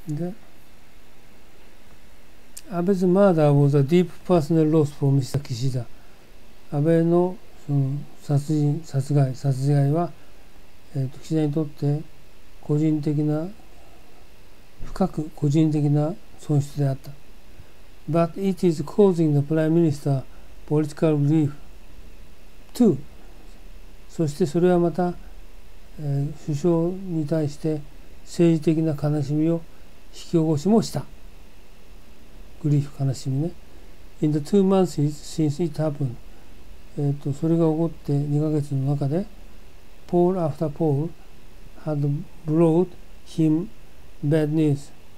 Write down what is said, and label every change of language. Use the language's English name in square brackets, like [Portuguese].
[English] で、安倍's murder was a deep personal loss for Mr. Kishida。 [Japanese] 安倍のその殺害は、岸田にとって個人的な、深く個人的な損失であった。 [English] But it is causing the Prime Minister political grief too。 [Japanese] そしてそれはまた、首相に対して政治的な悲しみを引き起こしもした。グリーフ、悲しみね。 [English] In the 2 months since it happened、 [Japanese] それが起こって2ヶ月の中で、 [English] Poll after poll had brought him bad news。